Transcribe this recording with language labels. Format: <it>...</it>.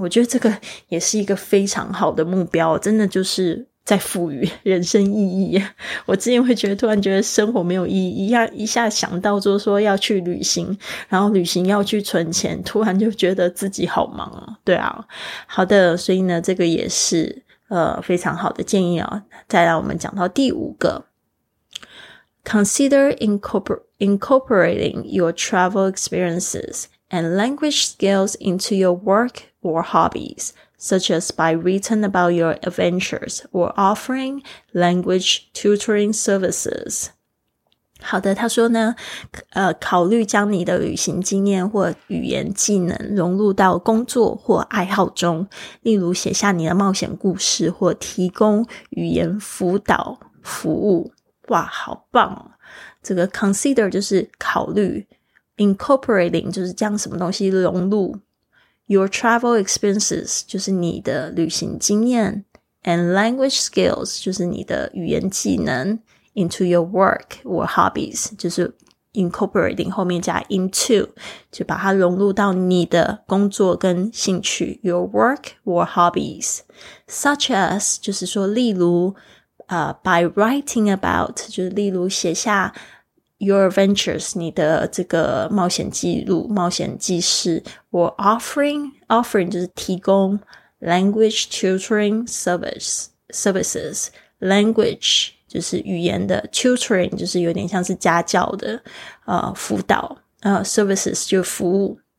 <zh>我觉得这个也是一个非常好的目标，真的就是在赋予人生意义。我之前会觉得突然觉得生活没有意义，一下想到就是说要去旅行，然后旅行要去存钱，突然就觉得自己好忙啊。对啊，好的，所以呢这个也是非常好的建议哦。再来我们讲到第五个，</zh> <en>Consider incorporating your travel experiences and language skills into your work or hobbies,such as by writing about your adventures or offering language tutoring services.</en> <zh>好的，他说呢，考虑将你的旅行经验或语言技能融入到工作或爱好中，例如写下你的冒险故事或提供语言辅导服务。哇，好棒！这个 consider 就是考虑， incorporating 就是将什么东西融入。</zh> <en>Your travel experiences</en> <zh>就是你的旅行经验，</zh> <en>and language skills</en> <zh>就是你的语言技能，</zh> <en>into your work or hobbies</en> <zh>就是 incorporating 后面加 into， 就把它融入到你的工作跟兴趣</zh> <en>your work or hobbies， such as</en> <zh>就是说例如</zh> <en>by writing about</en> <zh>就是例如写下</zh> <en>your adventures</en> <zh>你的这个冒险记录冒险记事</zh> <en>or offering</en> <zh>就是提供</zh> <en>language tutoring services</en> <zh>language就是语言的 tutoring 就是有点像是家教的辅导services 就是服务。</zh>